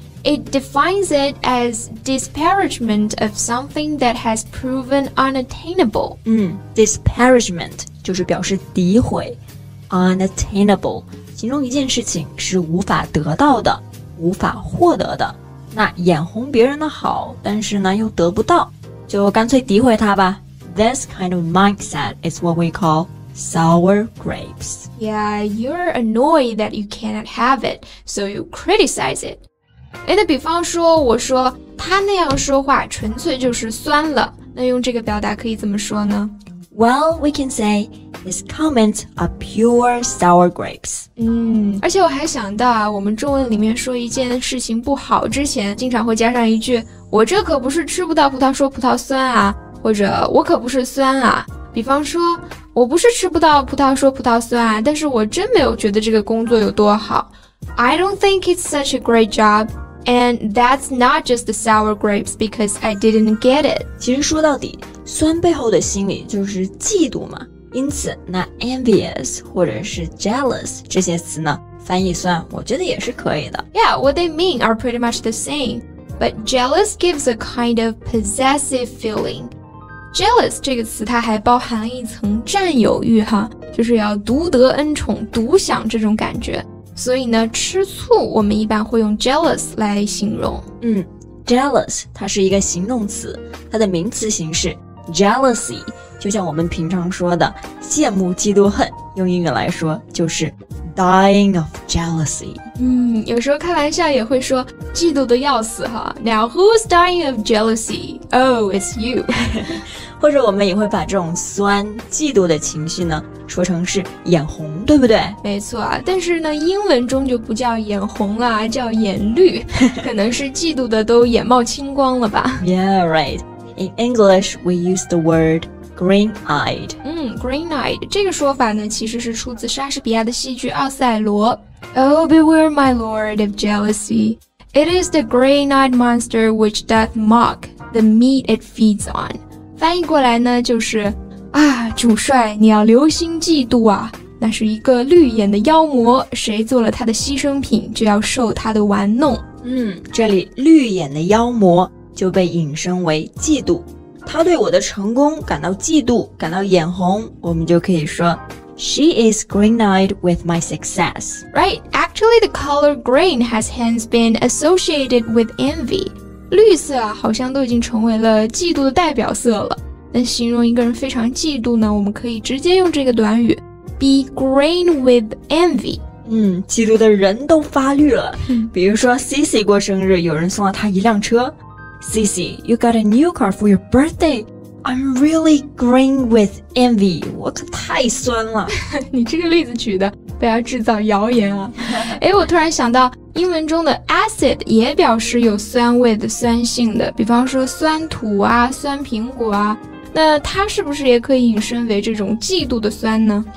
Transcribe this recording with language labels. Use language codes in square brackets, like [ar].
[en] It defines it as disparagement of something that has proven unattainable. [zh] Disparagement 就是表示诋毁。Unattainable 形容一件事情是无法得到的，无法获得的。那眼红别人的好，但是呢又得不到，就干脆诋毁他吧。 [en] This kind of mindset is what we call sour grapes. Yeah, you're annoyed that you cannot have it, so you criticize it. [zh] 哎，那比方说我说他那样说话纯粹就是酸了，那用这个表达可以怎么说呢？ [en] Well, we can say his comments are pure sour grapes. [zh] 而且我还想到啊，我们中文里面说一件事情不好之前经常会加上一句，我这可不是吃不到葡萄说葡萄酸啊，或者我可不是酸啊。比方说我不是吃不到葡萄说葡萄酸啊，但是我真没有觉得这个工作有多好。 [en] I don't think it's such a great job, and that's not just the sour grapes because I didn't get it. [zh] 其实说到底，酸背后的心理就是嫉妒嘛。因此，那 envious 或者是 jealous 这些词呢，翻译酸，我觉得也是可以的。 [en] Yeah, what they mean are pretty much the same, but jealous gives a kind of possessive feeling. [zh] Jealous 这个词它还包含了一层占有欲哈，就是要独得恩宠、独享这种感觉。所以呢，吃醋我们一般会用 jealous 来形容。 Jealous 它是一个形容词，它的名词形式 jealousy 就像我们平常说的羡慕、嫉妒、恨，用英语来说就是 [en] dying of jealousy。 [zh] 有时候开玩笑也会说嫉妒的要死哈。 [en] Now who's dying of jealousy? Oh, it's you. [zh] 或者我们也会把这种酸、嫉妒的情绪呢说成是眼红，对不对？没错啊，但是呢英文中就不叫眼红了，叫眼绿，可能是嫉妒的都眼冒青光了吧。 [en] Yeah, right. In English, we use the word green-eyed. [zh] Green-eyed 这个说法呢其实是出自莎士比亚的戏剧奥赛罗。 [en] Oh, beware my lord of jealousy. It is the grey night monster which doth mock the meat it feeds on. [zh] 翻译过来呢就是啊主帅你要留心嫉妒啊。那是一个绿眼的妖魔，谁做了他的牺牲品就要受他的玩弄。这里绿眼的妖魔就被引申为嫉妒。他对我的成功感到嫉妒，感到眼红，我们就可以说 [en] She is green-eyed with my success. Right, actually the color green has hence been associated with envy. [zh] 绿色啊，好像都已经成为了嫉妒的代表色了。那形容一个人非常嫉妒呢，我们可以直接用这个短语 [en] Be green with envy. [zh] 嫉妒的人都发绿了。比如说 Cici 过生日，有人送了她一辆车。 [en] Cici, you got a new car for your birthday. I'm really green with envy. [zh] 我可太酸了。你这个例子举的，不要制造谣言啊。哎，我突然想到，英文中的 acid 也表示有酸味的酸性的，比方说酸土啊，酸苹果啊。那它是不是也可以引申为这种嫉妒的酸呢？